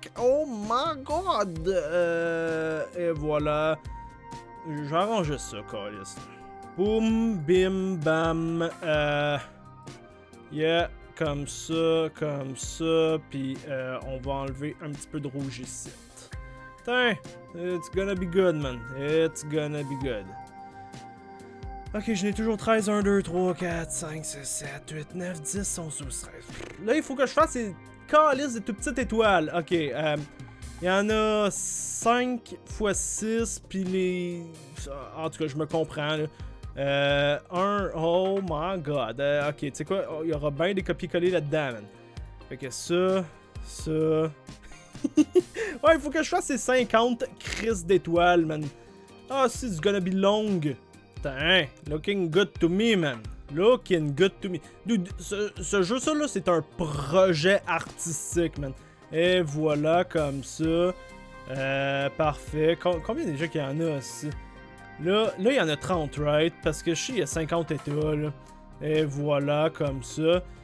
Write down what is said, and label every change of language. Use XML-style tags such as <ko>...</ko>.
<en>Oh my god!</en> <fr>Et voilà. Je vais arranger ça, Calis. Boum, bim, bam. Yeah, comme ça. Puis on va enlever un petit peu de rouge ici.</fr> <en>Tiens, it's gonna be good, man. It's gonna be good.</en> <fr>Ok, je n'ai toujours 13, 1, 2, 3, 4, 5, 6, 7, 8, 9, 10, 11, 12, 13. Là, il faut que je fasse ces calices de toutes petites étoiles. Ok, il y en a 5 x 6, puis les... En tout cas, je me comprends, là.</fr> <en>Oh my god.</en> <fr>Ok, tu sais quoi? Il y aura bien des copier-coller là-dedans, man. Fait que ça, ça... Ouais, il faut que je fasse ces 50 crises d'étoiles, man. Ah, oh, c'est gonna be long.</fr> <en>Putain, looking good to me, man. Looking good to me.</en> <fr>Dude, ce jeu-là, ça c'est un projet artistique, man. Et voilà, comme ça. Parfait. Combien déjà qu'il y en a, aussi? Là, il y en a 30, right? Parce que je sais, il y a 50 états, là. Et voilà, comme ça.</fr>